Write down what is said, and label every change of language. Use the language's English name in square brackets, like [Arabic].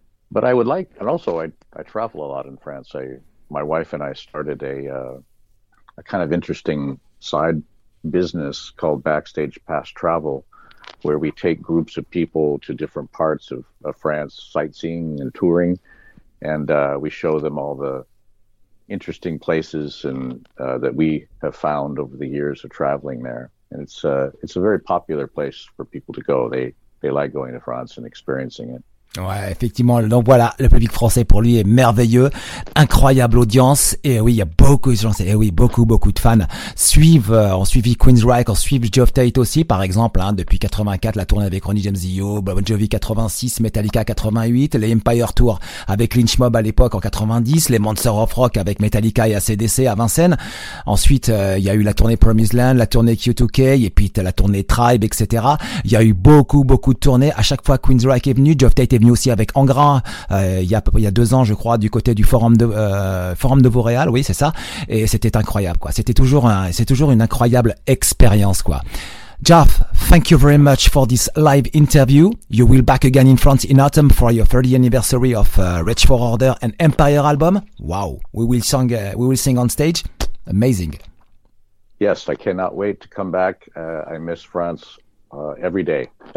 [English] But I would like, and also I travel a lot in France. My wife and I started a kind of interesting side business called Backstage Pass Travel, where we take groups of people to different parts of France, sightseeing and touring, and we show them all the interesting places and that we have found over the years of traveling there. And it's a very popular place for people to go. They like going to France and experiencing it. [French] Ouais, effectivement. Donc voilà, le public français pour lui est merveilleux, incroyable audience. Et oui, il y a beaucoup de gens. Et oui, beaucoup, beaucoup de fans suivent. Ont suivi Queensryche, ont suivi Geoff Tate aussi, par exemple. Hein, depuis 84, la tournée avec Ronnie James Dio, Bon Jovi 86, Metallica 88, les Empire Tour avec Lynch Mob à l'époque en 90, les Monsters of Rock avec Metallica et AC/DC à Vincennes. Ensuite, il y a eu la tournée Promised Land, la tournée Q2K, et puis la tournée Tribe, etc. Il y a eu beaucoup, beaucoup de tournées. À chaque fois, Queensryche est venu, Geoff Tate était venu aussi avec Angra il y a 2 ans, je crois, du côté du forum de Vauréal, oui, c'est ça. Et c'était incroyable, quoi. C'est toujours une incroyable expérience, quoi. [English] Jeff, thank you very much for this live interview. You will back again in France in autumn for your 30th anniversary of Reach for Order and Empire album. Wow, we will sing on stage. Amazing. Yes, I cannot wait to come back. I miss France every day.